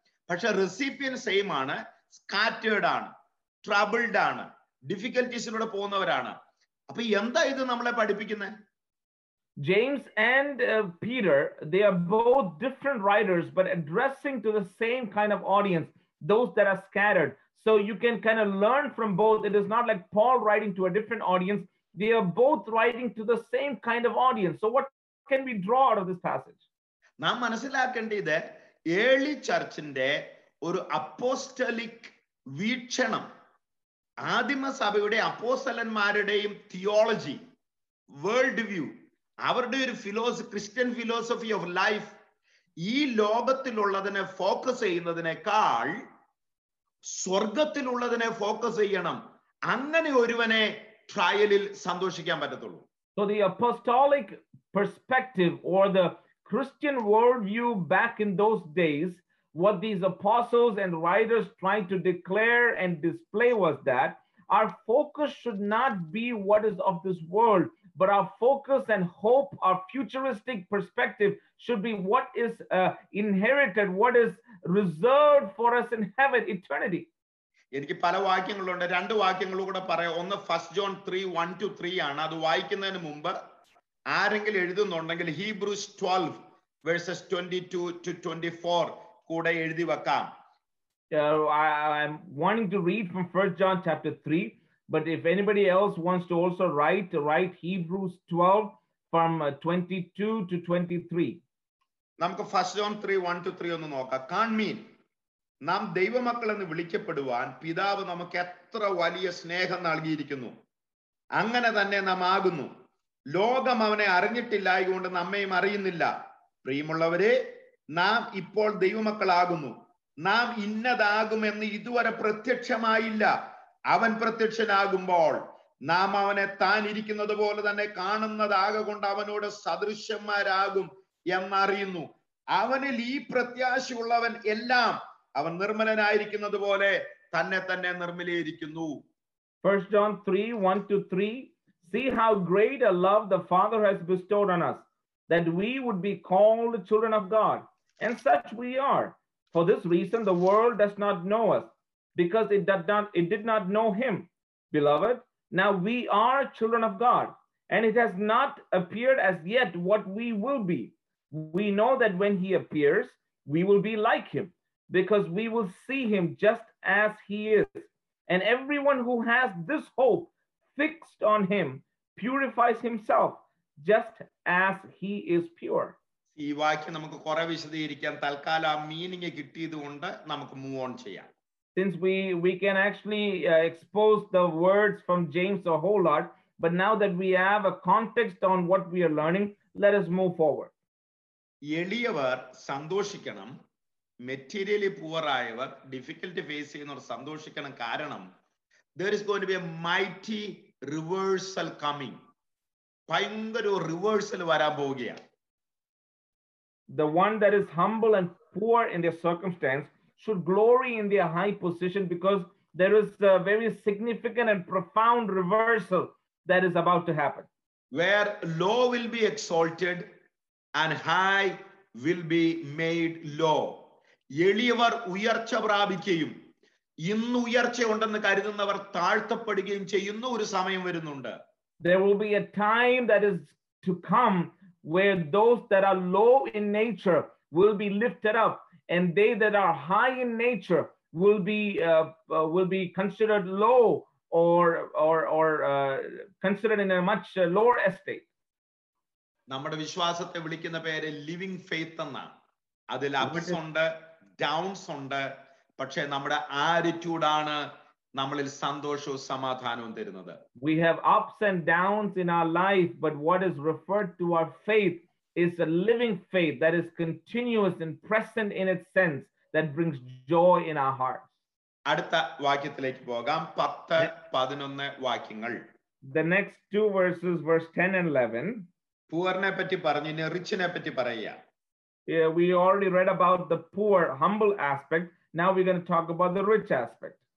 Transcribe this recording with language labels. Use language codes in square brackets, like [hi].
[ml] പക്ഷെ recipient same ആണ്, scattered ആണ്, ട്രബിൾഡ് ആണ്, ഡിഫിക്കൽറ്റീസിലൂടെ പോകുന്നവരാണ്. അപ്പൊ എന്താ ഇത് നമ്മളെ പഠിപ്പിക്കുന്നത്? [en] James and Peter, they are both different writers but addressing to the same kind of audience. those that are scattered. So you can kind of learn from both. It is not like Paul writing to a different audience. They are both writing to the same kind of audience. So what can we draw out of this passage? [ml] നാം മനസ്സിലാക്കേണ്ടത് ഏളി ചർച്ചിന്റെ ഒരു apostolic വീക്ഷണം, ആദിമസഭയുടെ അപ്പോസ്തലന്മാരുടെയും theology, world view, അവരുടെ ഒരു philosophy, [en] Christian philosophy of life, [ml] ഈ ലോകത്തിലുള്ളതിനെ focus ചെയ്യുന്നതിനേക്കാൾ സ്വർഗത്തിലുള്ളതിനെ focus ചെയ്യണം. അങ്ങനെ ഒരുവനെ ട്രയലിൽ സന്തോഷിക്കാൻ പറ്റത്തുള്ളൂ. [en] So the apostolic perspective or the Christian worldview back in those days, what these apostles and writers trying to declare and display was that our focus should not be what is of this world, but our focus and hope, our futuristic perspective should be what is inherited, what is reserved for us in heaven, eternity. [ml] എനിക്ക് പല വാക്യങ്ങളുണ്ട്, രണ്ട് വാക്യങ്ങൾ കൂടെ പറയാം. ഒന്ന് first John 3:1-3 ആണ്. അത് വായിക്കുന്നതിന് മുമ്പ് ആരെങ്കിലും എഴുതുന്നുണ്ടെങ്കിൽ Hebrews 12:22-24 കൂടെ എഴുതി വെക്കാം. [en] I'm wanting to read from 1 John chapter 3, but if anybody else wants to also write Hebrews 12 from 22-23. [ml] നമുക്ക് ഫസ്റ്റ് ജോൺ 3:1-3 ഒന്ന് നോക്കാം. കാൺമീൻ, നാം ദൈവമക്കൾ എന്ന് വിളിക്കപ്പെടുവാൻ പിതാവ് നമുക്ക് എത്ര വലിയ സ്നേഹം നൽകിയിരിക്കുന്നു. അങ്ങനെ തന്നെ നാം ആകുന്നു. ലോകം അവനെ അറിഞ്ഞിട്ടില്ലായതുകൊണ്ട് നമ്മയും അറിയുന്നില്ല. പ്രിയമുള്ളവരെ, നാം ഇപ്പോൾ ദൈവമക്കളാകുന്നു. നാം ഇന്നതാകുമെന്ന് ഇതുവരെ പ്രത്യക്ഷമായില്ല. അവൻ പ്രത്യക്ഷനാകുമ്പോൾ നാം അവനെ താൻ ഇരിക്കുന്നത് പോലെ തന്നെ കാണുന്നതാകെ കൊണ്ട് അവനോട് സദൃശ്യന്മാരാകും എന്നറിയുന്നു. അവനിൽ ഈ പ്രത്യാശയുള്ളവൻ എല്ലാം അവൻ നിർമ്മലനായിരിക്കുന്നത് പോലെ തന്നെ തന്നെ നിർമ്മലീകരിക്കുന്നു. [en] 1 John 3:1-3. See how great a love the Father has bestowed on us, that we would be called children of God. And such we are. For this reason, the world does not know us, because it did not know him. Beloved, now we are children of God, and it has not appeared as yet what we will be. We know that when he appears, we will be like him, because we will see him just as he is. And everyone who has this hope fixed on him purifies himself just as he is pure. [ml] ഈ വാക്യം നമുക്ക് കുറെ വിശദീകരിക്കാം. തൽക്കാലം ആ meaning കിട്ടിയതുകൊണ്ട് നമുക്ക് move on ചെയ്യാം. [en] Since we can actually expose the words from James a whole lot, but now that we have a context on what we are learning, let us move forward. [ml] എളിയവർ സന്തോഷിക്കണം, [en] materially poor [ml] ആയവർ, difficulty face ചെയ്യുന്നവർ സന്തോഷിക്കണം. കാരണം [en] there is going to be a mighty reversal coming. [ml] ഭയങ്കര ഒരു reversal വരാൻ പോവുകയാണ്. [en] The one that is humble and poor in their circumstance should glory in their high position, because there is a very significant and profound reversal that is about to happen. Where low will be exalted and high will be made low. [ml] എളിയവർ ഉയർച്ച പ്രാപിക്കുകയും ഇന്ന് ഉയർച്ചയുണ്ടെന്ന് കരുതുന്നവർ താഴ്ത്തപ്പെടുകയും ചെയ്യുന്ന ഒരു സമയം വരുന്നുണ്ട്. [en] There will be a time that is to come where those that are low in nature will be lifted up, and they that are high in nature will be considered low or considered in a much lower estate. [ml] നമ്മുടെ വിശ്വാസത്തെ വിളിക്കുന്ന പേര് living faith എന്നാണ്. അതിൽ ups ഉണ്ട്, downs ഉണ്ട്, പക്ഷേ നമ്മുടെ ആറ്റിറ്റ്യൂഡ് ആണ് നമ്മളിൽ സന്തോഷവും സമാധാനവും തരുന്നത്. [en] We have ups and downs in our life, but what is referred to our faith is a living faith that is continuous and present in its sense that brings joy in our hearts. [ml] അടുത്ത വാക്യത്തിലേക്ക് പോകാം. 10-11 വാക്യങ്ങൾ. [en] The next two verses, verse 10 and 11. [ml] പൂവറിനെ പറ്റി പറഞ്ഞു, ഇനി റിച്ചിനെ പറ്റി പറയുക. [en] Yeah, we already read about the poor, humble aspect. Now we're going to talk about the rich aspect.